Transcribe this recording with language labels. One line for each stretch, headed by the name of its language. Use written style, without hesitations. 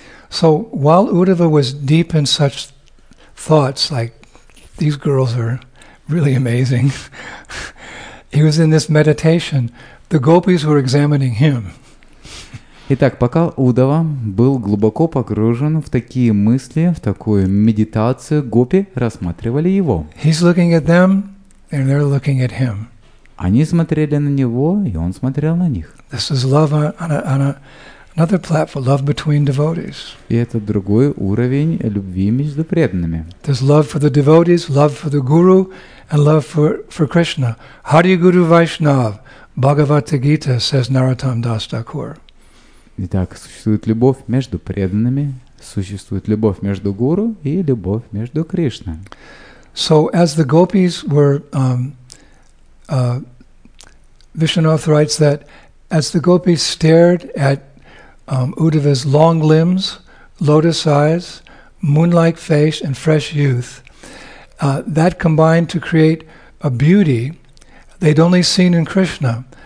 English: So while Uddhava was deep in such thoughts, like these girls are really amazing, he was in this meditation. The gopis were examining him.
Russian: Итак, пока Уддхава был глубоко погружен в такие мысли, в такую медитацию, гопи рассматривали его.
English: He's looking at them, and they're looking at him.
Russian: Они смотрели на него, и он смотрел на них.
English: This is love on a Another platform, love between devotees.
Russian: И это другой уровень любви между преданными.
English: There's love for the devotees, love for the guru, and love for Krishna. Hari Guru Vaishnav, Bhagavata Gita, says Narottam Das Thakur.
Russian: Итак, существует любовь между преданными, существует любовь между гуру и любовь между Кришной.
English: So as the gopis were, Vishwanath writes that as the gopis stared at Uddhava's long limbs, lotus eyes, moon-like face, and fresh youth, that combined to create a beauty they'd only seen in Krishna.